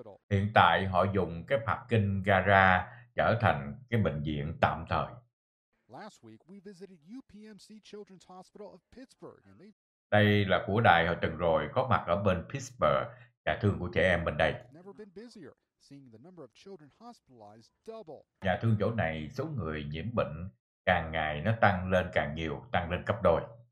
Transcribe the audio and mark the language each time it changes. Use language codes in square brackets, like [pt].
[vi] Hiện tại họ dùng cái parking gara trở thành cái bệnh viện tạm thời. [en] Last week we visited UPMC Children's Hospital of Pittsburgh. [vi] Đây là của đài hồi tuần rồi, có mặt ở bên Pittsburgh, nhà thương của trẻ em bên đây. [en] Never been busier, seeing the number of children hospitalized double. [vi] Nhà thương chỗ này, số người nhiễm bệnh càng ngày nó tăng lên càng nhiều, tăng lên gấp đôi.